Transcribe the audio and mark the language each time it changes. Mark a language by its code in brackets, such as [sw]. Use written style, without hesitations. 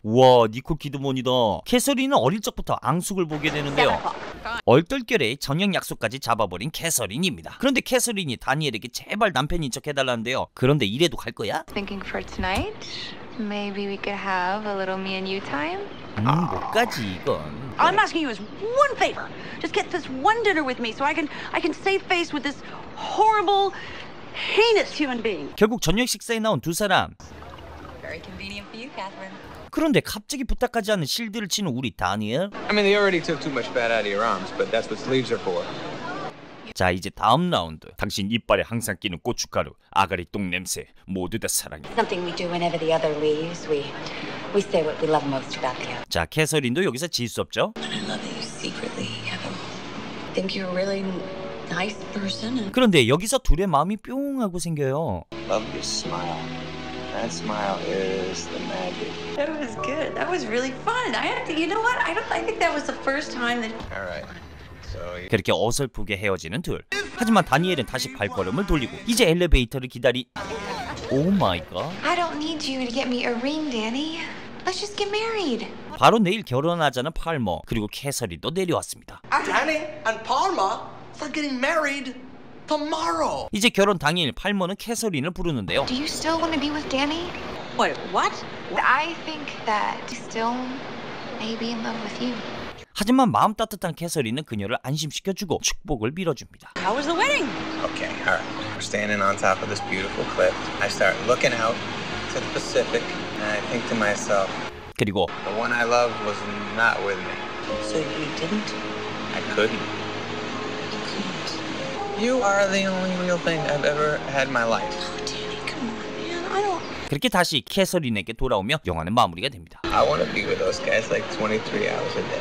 [ko] 우와, 니콜 키드몬이다. 캐서린은 어릴 적부터 앙숙을 보게 되는데요. 얼떨결에 저녁 약속까지 잡아버린 캐서린입니다. 그런데 캐서린이 다니엘에게 제발 남편인 척 해달라는데요. 그런데 이래도 갈 거야? [en] Thinking for tonight? Maybe we could have a little me and you time? [ko] 뭐까지 이건. [en] I'm asking you as one favor. Just get this one dinner with me so I can save face with this horrible, heinous human being. [ko] 결국 저녁 식사에 나온 두 사람. [en] Very convenient for you, Catherine. [ko] 그런데 갑자기 부탁까지 하는 실드를 치는 우리 다니엘. [en] I mean, they already took too much fat out of your arms, but that's what sleeves are for. [ko] 자, 이제 다음 라운드. 당신 이빨에 항상 끼는 고춧가루, 아가리 똥 냄새 모두 다 사랑해. [en] Something we do whenever the other leaves. We say what we love most about the other. [ko] 자, 캐서린도 여기서 질 수 없죠. [en] I love you secretly. Think you're a really nice person. [ko] 그런데 여기서 둘의 마음이 뿅 하고 생겨요. [en] Love your smile. That smile is the magic. That was good. That was really fun. I have to, you know what? I think that was the first time that. All right. [ko] 그렇게 어설프게 헤어지는 둘. 하지만 다니엘은 다시 발걸음을 돌리고 이제 엘리베이터를 기다리. [en] 오 마이 갓. I don't need you to get me a ring, Danny. Let's just get married. [ko] 바로 내일 결혼하자는 팔머 그리고 캐서린도 내려왔습니다. [en] Danny and Palmer are getting married tomorrow. [ko] 이제 결혼 당일 팔머는 캐서린을 부르는데요. [en] Do you still want to be with Danny? What? I think that he still may be in love with you. [ko] 하지만 마음 따뜻한 캐서린은 그녀를 안심시켜주고 축복을 빌어줍니다. [en] How was the wedding? Okay, alright. We're standing on top of this beautiful cliff. I start looking out to the Pacific and I think to myself. [ko] 그리고 [en] The one I love was not with me. So you didn't? I couldn't. You couldn't? You are the only real thing I've ever had in my life. Oh, Danny, come on, man. I don't... [ko] 그렇게 다시 캐서린에게 돌아오며 영화는 마무리가 됩니다. [en] I want to be with those guys like 23 hours a day.